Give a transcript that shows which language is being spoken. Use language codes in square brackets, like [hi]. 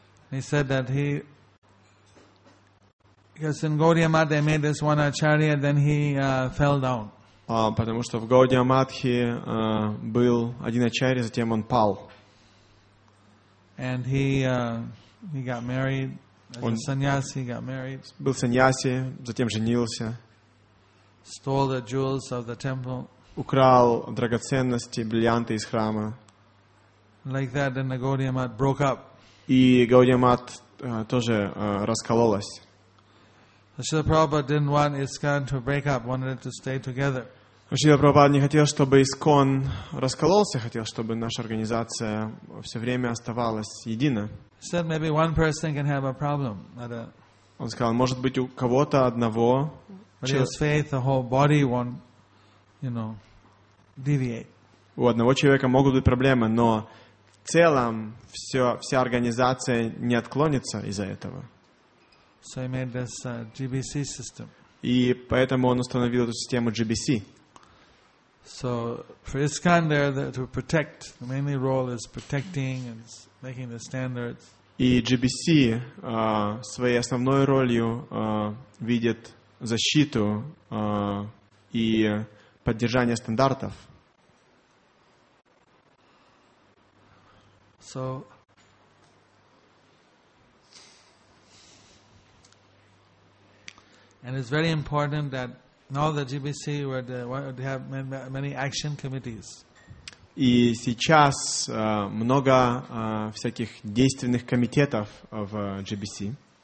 [en] He said that he, because in Gaudiya Math they made this one acharya, then he fell down. [ru] Потому что в Gaudiya Math был один ачарья, затем он пал. [en] And he got married. [ru] Он саньяси, [en] got married. [ru] Был саньяси, затем женился. [en] Stole the jewels of the temple. [ru] Украл драгоценности, бриллианты из храма. [en] Like that, then the Gaudiya Math broke up. [ru] И Gaudiya Math тоже раскололась. [en] Srila Prabhupada didn't want ISKCON to break up, wanted it to stay together. [ru] Srila Prabhupada не хотел, чтобы ISKCON раскололся, хотел, чтобы наша организация все время оставалась едина. [en] He said maybe one person can have a problem. [ru] Он сказал, может быть, у кого-то одного. [en] But his faith, the whole body won't, you know, deviate. [ru] У одного человека могут быть проблемы, но в целом вся организация не отклонится из-за этого. [en] So he made this GBC system. [ru] И поэтому он установил эту систему GBC. [en] So for ISKCON there to protect, the main role is protecting and making the standards. [ru] И GBC своей основной ролью видит защиту и поддержание стандартов. [en] So and it's very important that now the GBC where they have many action committees. [ru] И сейчас много всяких действенных комитетов в GBC.